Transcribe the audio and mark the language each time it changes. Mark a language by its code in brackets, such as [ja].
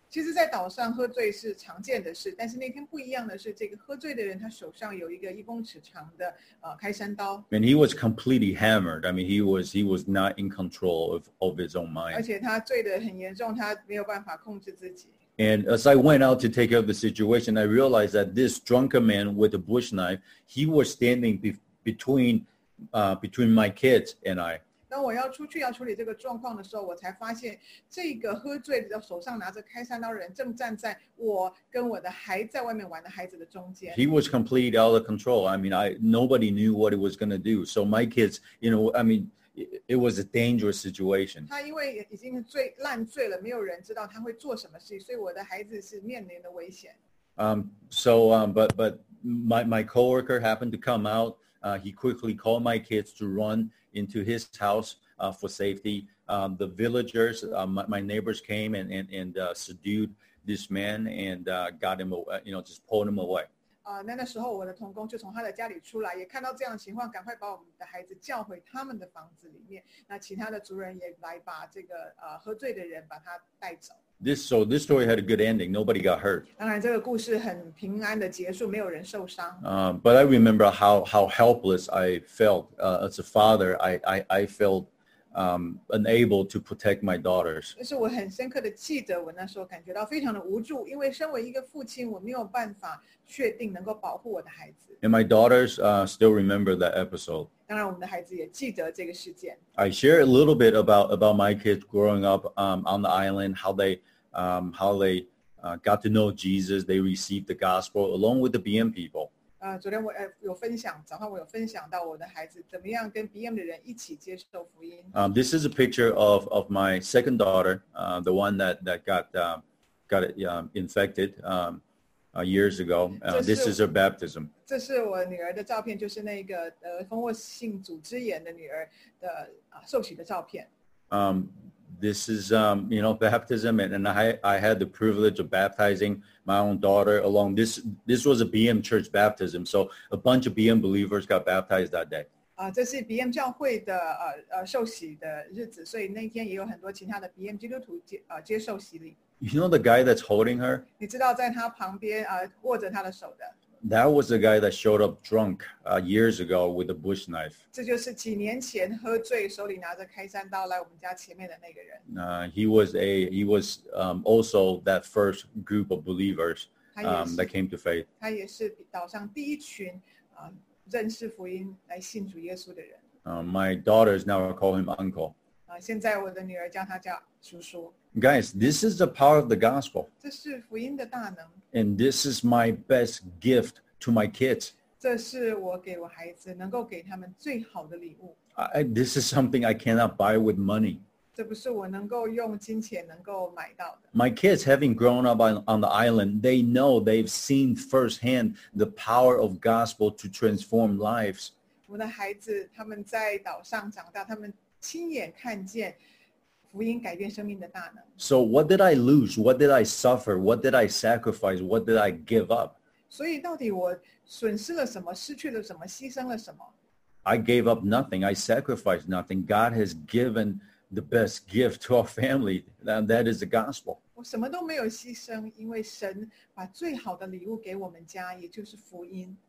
[zh] 其实，在岛上喝醉是常见的事，但是那天不一样的是，这个喝醉的人他手上有一个一公尺长的开山刀。 [en] And he was completely hammered. I mean, he was not in control of his own mind. [zh] 而且他醉得很严重，他没有办法控制自己。 [en] And as I went out to take care of the situation, I realized that this drunken man with a bush knife, he was standing between my kids and I. [zh] 当我要出去要处理这个状况的时候，我才发现这个喝醉的手上拿着开山刀的人正站在我跟我的孩子在外面玩的孩子的中间。 [en] He was completely out of control. I mean, nobody knew what he was going to do. So my kids, you know, I mean, it was a dangerous situation. [zh] 他因为已经烂醉了，没有人知道他会做什么事，所以我的孩子是面临的危险。 [en] So, but my coworker happened to come out. He quickly called my kids to run. Into his house for safety. The villagers, my neighbors came and subdued this man and got him away, you know, just pulled him away. [zh] 那时候我的同工就从他的家里出来，也看到这样的情况，赶快把我们的孩子叫回他们的房子里面。那其他的族人也来把这个喝醉的人把他带走。 [en] This story had a good ending. Nobody got hurt. [zh] 当然，这个故事很平安的结束，没有人受伤。 [en] But I remember how helpless I felt as a father. I felt unable to protect my daughters. [zh] 但是我很深刻的记得，我那时候感觉到非常的无助，因为身为一个父亲，我没有办法确定能够保护我的孩子。 [en] And my daughters still remember that episode. [zh] 当然，我们的孩子也记得这个事件。 [en] I share a little bit about my kids growing up on the island, how they got to know Jesus, they received the gospel along with the BM people. [zh] 昨天我有分享，早上我有分享到我的孩子怎么样跟 BM 的人一起接受福音。 [en] This is a picture of my second daughter, the one that got infected years ago. This is her baptism. [zh] 这是我女儿的照片，就是那个蜂窝性组织炎的女儿的受洗的照片。 [en] This is, you know, baptism, and I had the privilege of baptizing my own daughter along. This was a BM church baptism, so a bunch of BM believers got baptized that day. [zh] 这是 BM 教会的受洗的日子，所以那天也有很多其他的 BM 基督徒接受洗礼。 [en] You know the guy that's holding her? [zh] 你知道在他旁边握着他的手的。 [en] That was the guy that showed up drunk years ago with a bush knife. [zh] 这就是几年前喝醉手里拿着开山刀来我们家前面的那个人。 [en] He was also that first group of believers that came to faith. [zh] 他也是岛上第一群认识福音来信主耶稣的人。 [en] My daughters now call him uncle. [zh] 现在我的女儿叫他叫叔叔。 [en] Guys, this is the power of the gospel. [zh] 这是福音的大能。 [en] And this is my best gift to my kids. [zh] 这是我给我孩子能够给他们最好的礼物。 [en] This is something I cannot buy with money. [zh] 这不是我能够用金钱能够买到的。 [en] My kids, having grown up on the island, they know they've seen firsthand the power of gospel to transform lives. [zh] 我的孩子他们在岛上长大，他们亲眼看见福音改变生命的大能。 [en] So what did I lose? What did I suffer? What did I sacrifice? What did I give up? [zh] 所以到底我损失了什么，失去了什么，牺牲了什么？ [en] I gave up nothing. I sacrificed nothing. God has given the best gift to our family. That is the gospel. [zh] 我什么都没有牺牲，因为神把最好的礼物给我们家，也就是福音。